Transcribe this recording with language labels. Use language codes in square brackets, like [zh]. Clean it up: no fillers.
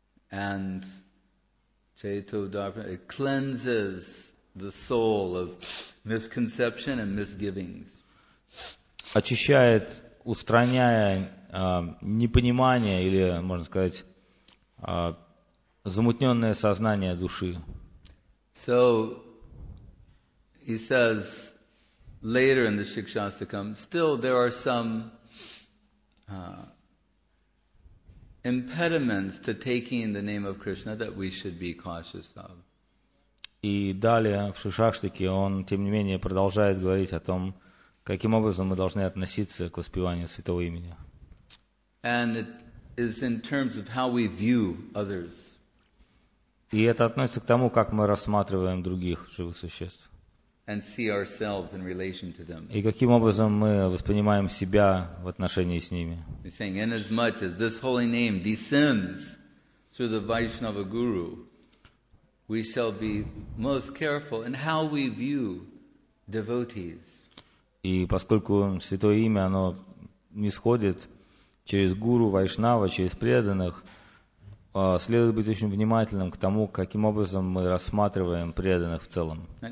[en] And Chaitodarpa, it cleanses the soul of misconception and misgivings. [ru] Очищает, устраняя непонимание или, можно сказать, замутненное сознание души. [en] So, he says later in the Shikshastakam, still there are some impediments to taking the name of Krishna that we should be cautious of. [ru] И далее в Шикшастаке он, тем не менее, продолжает говорить о том, каким образом мы должны относиться к воспеванию святого имени. [en] And it is in terms of how we view others. [ru] И это относится к тому, как мы рассматриваем других живых существ. [en] And see ourselves in relation to them. [ru] И каким образом мы воспринимаем себя в отношении с ними. [en] He's saying, inasmuch as this holy name descends through the Vaishnava Guru, we shall be most careful in how we view devotees. [ru] И поскольку святое имя, оно нисходит через гуру Вайшнава, через преданных, следует быть очень внимательным к тому, каким образом мы рассматриваем преданных в целом.